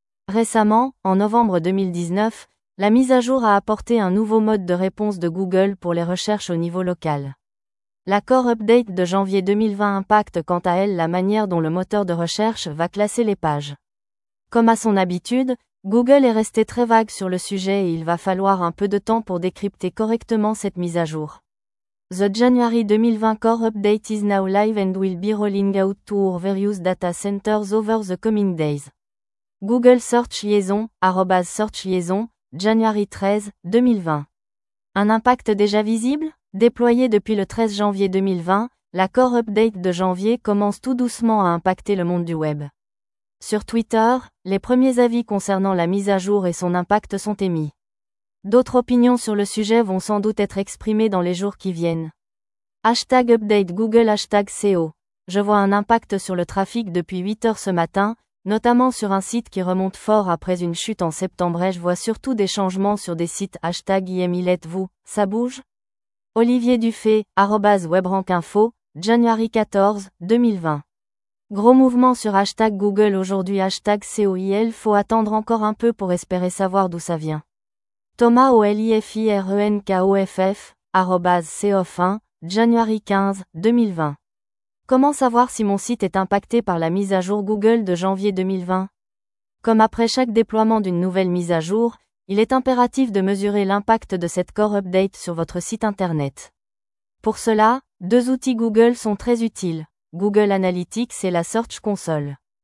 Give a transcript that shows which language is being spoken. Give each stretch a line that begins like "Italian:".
French: Récemment, en novembre 2019, la mise à jour a apporté un nouveau mode de réponse de Google pour les recherches au niveau local. La core update de janvier 2020 impacte quant à elle la manière dont le moteur de recherche va classer les pages. Comme à son habitude, Google est resté très vague sur le sujet et il va falloir un peu de temps pour décrypter correctement cette mise à jour.
English: The January 2020 core update is now live and will be rolling out to our various data centers over the coming days. Google Search Liaison, @searchliaison, January 13, 2020.
French: Un impact déjà visible ? Déployée depuis le 13 janvier 2020, la core update de janvier commence tout doucement à impacter le monde du web. Sur Twitter, les premiers avis concernant la mise à jour et son impact sont émis. D'autres opinions sur le sujet vont sans doute être exprimées dans les jours qui viennent. Hashtag update Google hashtag SEO. Je vois un impact sur le trafic depuis 8 heures ce matin, notamment sur un site qui remonte fort après une chute en septembre. Je vois surtout des changements sur des sites hashtag IMILETVOU, ça bouge ?
English: Olivier Dufay, @webrankinfo, January 14, 2020.
French: Gros mouvement sur hashtag Google aujourd'hui hashtag COIL, faut attendre encore un peu pour espérer savoir d'où ça vient.
English: Thomas Olifirenkoff, @COF1, January 15, 2020.
French: Comment savoir si mon site est impacté par la mise à jour Google de janvier 2020 ? Comme après chaque déploiement d'une nouvelle mise à jour, il est impératif de mesurer l'impact de cette core update sur votre site internet. Pour cela, deux outils Google sont très utiles, Google Analytics et la Search Console.